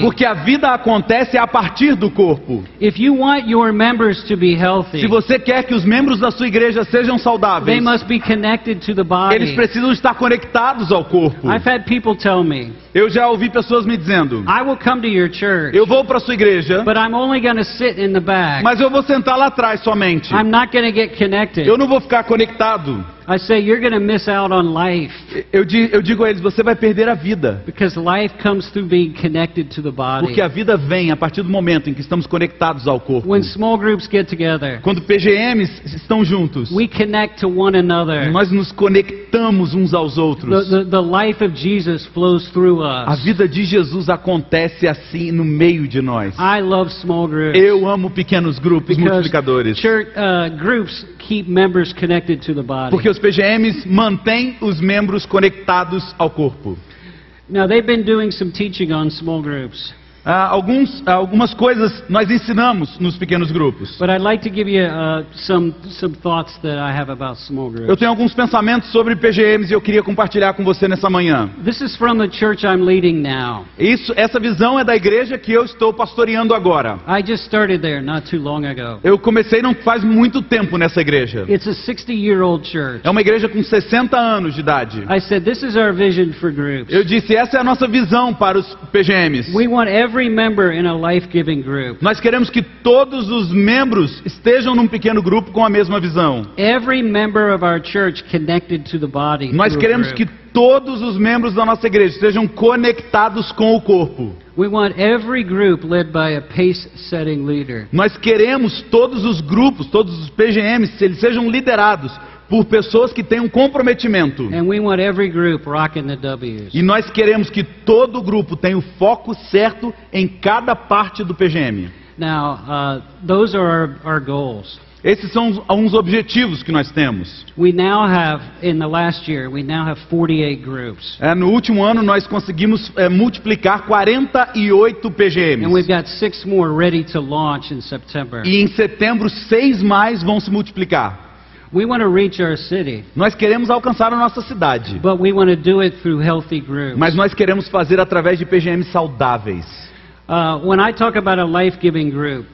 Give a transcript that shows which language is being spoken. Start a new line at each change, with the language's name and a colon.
Portuguese: Porque a vida acontece a partir do corpo.
English: If you want your members to be healthy,
Portuguese: se você quer que os membros da sua igreja sejam saudáveis,
English: they must be connected to the body.
Portuguese: Eles precisam estar conectados ao corpo.
English: I've had people tell me.
Portuguese: Eu já ouvi pessoas me dizendo.
English: I will come to your church.
Portuguese: Eu vou para sua igreja.
English: But I'm only going to sit in the back.
Portuguese: Mas eu vou sentar lá atrás somente.
English: I'm not going to get connected.
Portuguese: Eu não vou ficar conectado.
English: I say you're going to miss out on life.
Portuguese: Eu digo a eles, você vai perder a vida.
English: Because life comes through being connected to the body.
Portuguese: Porque a vida vem a partir do momento em que estamos conectados ao corpo.
English: When small groups get together.
Portuguese: Quando PGMs estão juntos.
English: We connect to one another.
Portuguese: Nós nos conectamos uns aos outros.
English: The life of Jesus flows through us.
Portuguese: A vida de Jesus acontece assim no meio de nós.
English: I love small groups.
Portuguese: Eu amo pequenos grupos multiplicadores.
English: Groups keep members connected to the body.
Portuguese: Porque os PGMs mantêm os membros conectados ao corpo.
English: Now they've been doing some teaching on small groups.
Portuguese: algumas coisas nós ensinamos nos pequenos grupos.
English: But I'd like to give you some thoughts that I have about small groups.
Portuguese: Eu tenho alguns pensamentos sobre PGMs e eu queria compartilhar com você nessa manhã.
English: This is from the church I'm leading now.
Portuguese: Essa visão é da igreja que eu estou pastoreando agora.
English: I just started there not too long ago.
Portuguese: Eu comecei não faz muito tempo nessa igreja.
English: It's a 60-year-old church.
Portuguese: É uma igreja com 60 anos de idade.
English: I said this is our vision for groups.
Portuguese: Eu disse essa é a nossa visão para os PGMs.
English: We want every member in a life-giving group.
Portuguese: Nós queremos que todos os membros estejam num pequeno grupo com a mesma visão.
English: Every member of our church connected to the body.
Portuguese: Nós queremos que todos os membros da nossa igreja estejam conectados com o corpo.
English: We want every group led by a pace-setting leader.
Portuguese: Nós queremos todos os grupos, todos os PGMs, que eles sejam liderados por pessoas que têm um comprometimento.
English: And we want every group rocking the W's.
Portuguese: E nós queremos que todo grupo tenha o foco certo em cada parte do PGM.
English: Now, those are our goals.
Portuguese: Esses são alguns objetivos que nós temos.
English: We now have, in the last year, we now have 48 groups.
Portuguese: No último ano nós conseguimos multiplicar 48 PGMs.
English: And we've got 6 more ready to launch in September.
Portuguese: E em setembro 6 mais vão se multiplicar.
English: We want to reach our city.
Portuguese: Nós queremos alcançar a nossa cidade.
English: But we want to do it through healthy groups.
Portuguese: Mas nós queremos fazer através de PGMs saudáveis.
English: When I talk about a life-giving group,